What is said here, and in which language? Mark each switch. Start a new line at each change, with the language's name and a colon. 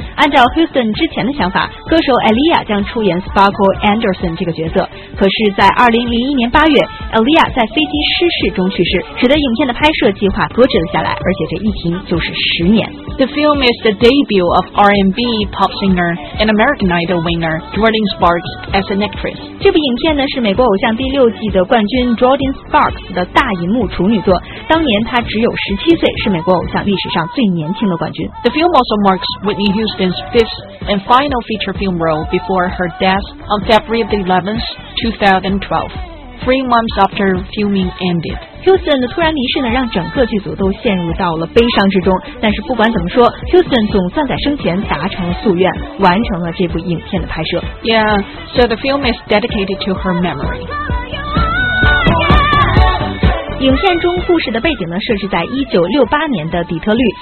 Chinese: 按照 Houston 之前的想法，歌手 Aaliyah 将出演 Sparkle Anderson 这个角色，可是在2001年8月 Aaliyah 在飞机失事中去世，使得影片的拍摄计划搁置了下来，而且这一停就是10年。
English: The film is the debut of R&B pop singer and American Idol winner Jordyn Sparks as an actress.
Chinese: 这部影片呢是美国偶像第六季的冠军 Jordyn Sparks 的大荧幕处女作。当年她只有17岁，是美国偶像历史上最年轻的冠军。
English: The film also marks Whitney Houston's fifth and final feature film role before her death on February 11, 2012. 3 months after filming ended.
Chinese: Houston 的突然离世呢，让整个剧组都陷入到了悲伤之中。但是不管怎么说， Houston 总算在生前达成了夙愿，完成了这部影片的拍摄。
English: Yeah, so the film is dedicated to her memory.
Chinese: 影片中故事的背景呢设置在1968年的底特律。